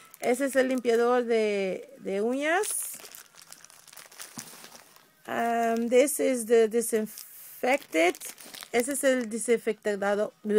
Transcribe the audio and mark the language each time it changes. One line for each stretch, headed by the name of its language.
Spanish: Este es el limpiador de uñas.
English: This is the disinfectant.
Spanish: Este es el desinfectador.